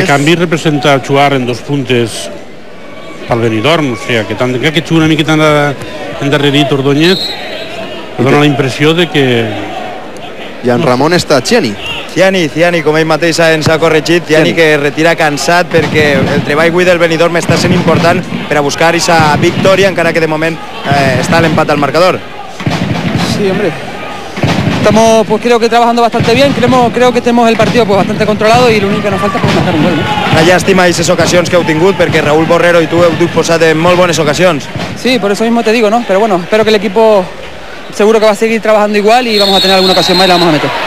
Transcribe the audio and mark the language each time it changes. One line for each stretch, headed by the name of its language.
Catalan: Este canvi representa jugar en dos puntes pel Benidorm, o sigui, que tant que jugui una miqueta endarrerit Ordóñez, dona la impressió de que... I en Ramon està Chiani. Chiani, com ell mateix ens ha corregit, Chiani que retira cansat perquè el treball avui del Benidorm està sent important per a buscar aquesta victòria, encara que de moment està l'empat al marcador.
Spanish: Sí, hombre. Estamos, pues creo que trabajando bastante bien, creo que tenemos el partido pues bastante controlado y lo único que nos falta es marcar un gol, ¿no?
Catalan: Una llàstima aquestes ocasions que heu tingut, perquè Raúl Borrero i tu heu disposat en molt bones ocasions.
Spanish: Sí, por eso mismo te digo, ¿no? Pero bueno, espero que el equipo seguro que va a seguir trabajando igual y vamos a tener alguna ocasión más y la vamos a meter.